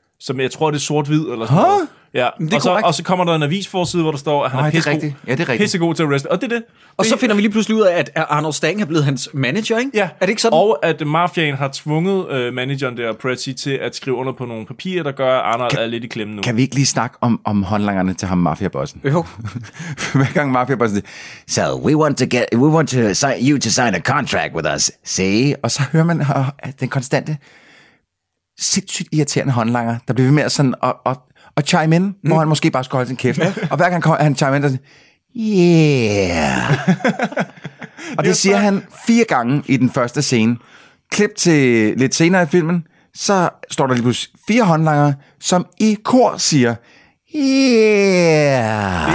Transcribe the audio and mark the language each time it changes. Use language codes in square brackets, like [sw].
[da] Som jeg tror, det er sort-hvid eller sådan noget. Ja, og så kommer der en avisforside, hvor der står, at han er pissegod til at wrestle. Og det er det. Og så finder vi lige pludselig ud af, at Arnold Stang er blevet hans manager, ikke? Ja. Er det ikke sådan? Og at mafiaen har tvunget manageren der, Pretty, til at skrive under på nogle papirer, der gør, at Arnold er lidt i klemme nu. Kan vi ikke lige snakke om håndlangerne til ham, mafiabossen? Jo. Hver gang mafiabossen siger, [en] so we want you to sign a contract with us, see? [da] Og så hører man at den konstante, sindssygt irriterende håndlanger, der bliver mere sådan og chime in, hvor han måske bare skal holde sin kæft. Ja. Og hver gang han chime in, der siger, yeah. Og det siger han 4 gange i den første scene. Klip til lidt senere i filmen, så står der lige pludselig 4 håndlanger, som i kor siger, yeah.